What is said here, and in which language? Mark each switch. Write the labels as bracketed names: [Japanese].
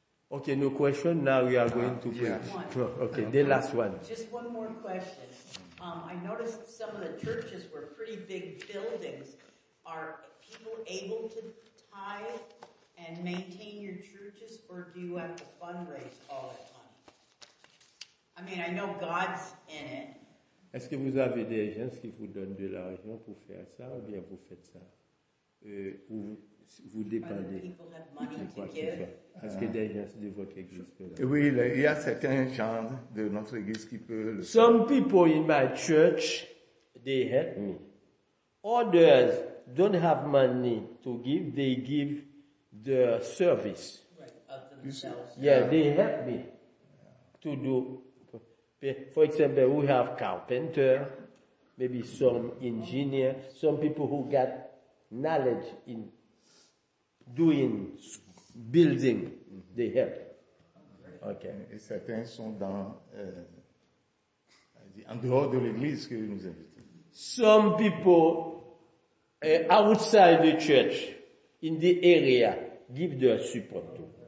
[English] Okay, no question. Now we are going to preach. Okay, the last one. Just one more question. I noticed some of the churches were pretty big buildings. Are people able to tithe and maintain your churches, or do you have to fundraise all the time? I mean, I know God's in it. [French] Est-ce que vous avez des gens qui vous donnent de l'argent pour faire ça, ou bien vous faites ça? Ou vous dépendez de quoi que ce soit? Est-ce que des gens de votre église peuvent le faire? Oui, il y a certains gens de notre église qui peuvent le faire. [English] Some people in my church, they help me. Others don't have money to give, they give the service. Right, of themselves. Yeah, they help me to do. For example, we have carpenter, maybe some engineer, some people who got knowledge in doing building, they help. Okay. [French] Et certains sont dans, en dehors de l'église que nous invitons. [English] Some people outside the church, in the area, give their support to.